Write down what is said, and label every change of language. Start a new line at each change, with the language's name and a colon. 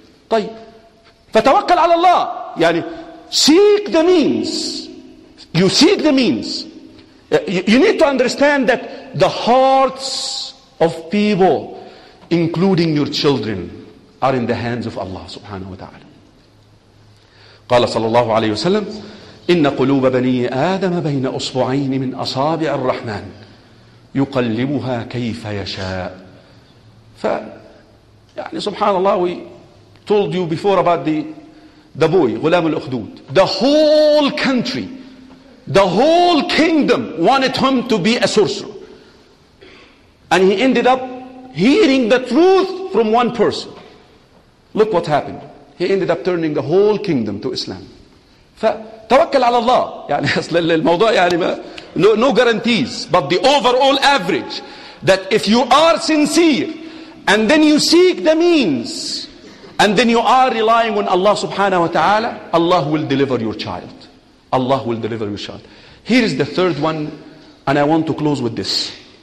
Arabic: طيب. فتوكل على الله. يعني,
English: seek the means. You seek the means. You need to understand that the hearts of people, including your children, are in the hands of Allah subhanahu wa ta'ala.
Arabic: قال صلى الله عليه وسلم, إن قلوب بني آدم بين أصبعين من أصابع الرحمن يقلبها كيف يشاء. ف يعني سبحان الله,
English: we told you before about the boy, غلام الأخدود. The whole country, the whole kingdom wanted him to be a sorcerer. And he ended up hearing the truth from one person. Look what happened. He ended up turning the whole kingdom to Islam.
Arabic: فتوكل على الله. يعني أصل الموضوع يعني ما,
English: no guarantees. But the overall average, that if you are sincere, and then you seek the means, and then you are relying on Allah subhanahu wa ta'ala, Allah will deliver your child. Allah will deliver your child. Here is the third one, and I want to close with this.